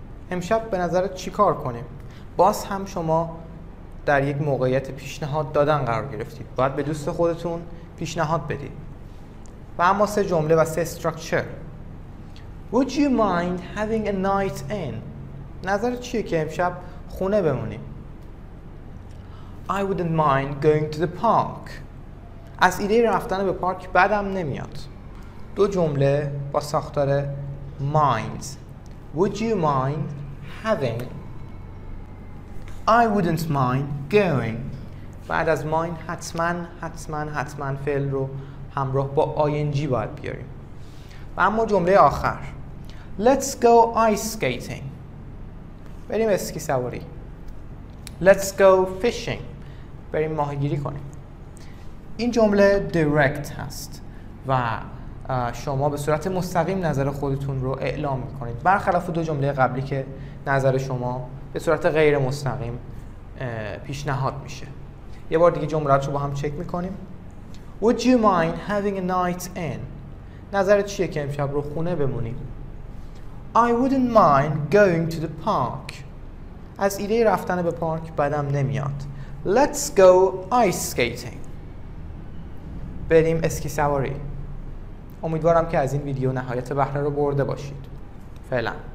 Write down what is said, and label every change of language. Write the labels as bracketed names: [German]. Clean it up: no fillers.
[Persian] امشب به نظرت چی کار کنیم؟ باز هم شما در یک موقعیت پیشنهاد دادن قرار گرفتید. باید به دوست خودتون پیشنهاد بدید. و اما سه جمله و سه استرکچر. [English] Would you mind having a night in? [Persian] نظرت چیه که امشب خونه بمونیم؟ [English] I wouldn't mind going to the park. [Persian] از ایده رفتن به پارک بدم نمیاد. دو جمله با ساختار mind. [English] Would you mind having I wouldn't mind going. [Persian] بعد از mind حتما فعل رو همراه با ing باید بیاریم. و اما جمله آخر [English] Let's go ice skating. [Persian] بریم اسکی سواری. [English] Let's go fishing. [Persian] بریم ماهیگیری کنیم. این جمله direct هست و شما به صورت مستقیم نظر خودتون رو اعلام میکنید، برخلاف دو جمله قبلی که نظر شما به صورت غیر مستقیم پیشنهاد میشه. یه بار دیگه جملات رو با هم چک میکنیم. [English] Would you mind having a night in؟ [Persian] نظرت چیه که امشب رو خونه بمونیم؟ [English] I wouldn't mind going to the park. [Persian] از ایده رفتن به پارک بدم نمیاد. [English] Let's go ice skating. [Persian] بریم اسکی سواری. امیدوارم که از این ویدیو نهایت بهره رو برده باشید. فعلاً.